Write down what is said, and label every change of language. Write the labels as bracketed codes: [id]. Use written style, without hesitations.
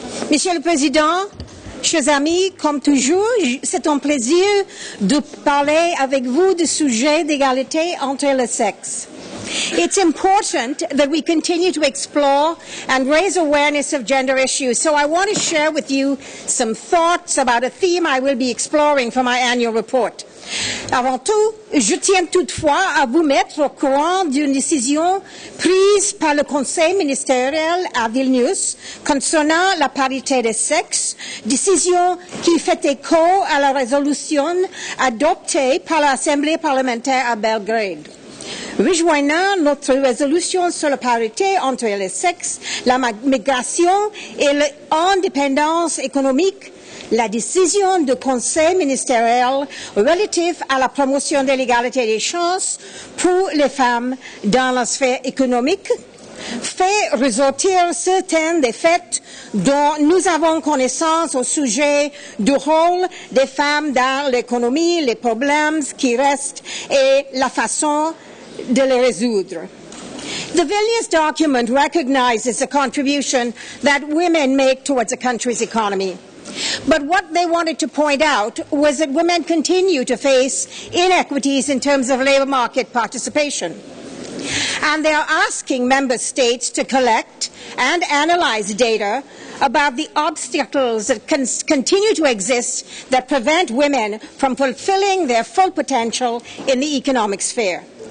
[fr] Monsieur le Président, chers amis, comme toujours, c'est un plaisir de parler avec vous du sujet d'égalité entre les sexes. [en] It's important that we continue to explore and raise awareness of gender issues, so I want to share with you some thoughts about a theme I will be exploring for my annual report. [fr] Avant tout, je tiens toutefois à vous mettre au courant d'une décision prise par le Conseil ministériel à Vilnius concernant la parité des sexes, décision qui fait écho à la résolution adoptée par l'Assemblée parlementaire à Belgrade. Rejoignant notre résolution sur la parité entre les sexes, la migration et l'indépendance économique, la décision du Conseil ministériel relative à la promotion de l'égalité des chances pour les femmes dans la sphère économique fait ressortir certains des faits dont nous avons connaissance au sujet du rôle des femmes dans l'économie, les problèmes qui restent et la façon de les résoudre. [en] The Vilnius document recognizes the contribution that women make towards a country's economy. But what they wanted to point out was that women continue to face inequities in terms of labour market participation. And they are asking member states to collect and analyse data about the obstacles that continue to exist that prevent women from fulfilling their full potential in the economic sphere.